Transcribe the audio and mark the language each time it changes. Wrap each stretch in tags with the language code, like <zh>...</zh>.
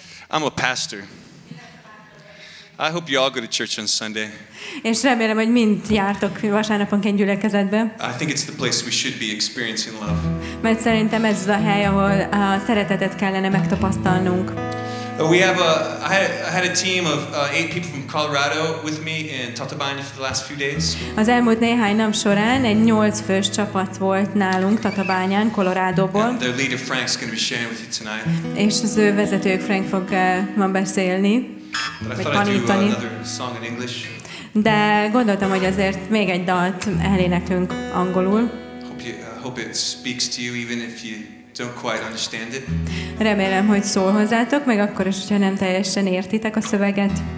<en>I'm a pastor. I hope you all go to church on Sunday.</en> <hu>És remélem, hogy mind jártok vasárnaponként gyülekezetbe.</hu> <en>I think it's the place we should be experiencing love.</en> <hu>Mert szerintem ez a hely, ahol a szeretetet kellene megtapasztalnunk.</hu> <en>We have a I had a team of 8 people from Colorado with me in Tatabánya for the last few days.</en> <hu>Az elmúlt néhány nap során egy 8 fős csapat volt nálunk Tatabányán, Colorado-ból.</hu> <en>And their leader Frank's going to be sharing with you tonight.</en> <hu>És az ő vezetőjük Frank fog ma beszélni.</hu> <en>But I thought I'd do another song in English.</en> <hu>De gondoltam, hogy azért még egy dalt eléneklünk angolul.</hu> <en>Hope it speaks to you even if you don't quite understand it.</en> <hu>Remélem, hogy szól hozzátok, meg akkor is, hogyha nem teljesen értitek a szöveget.</hu>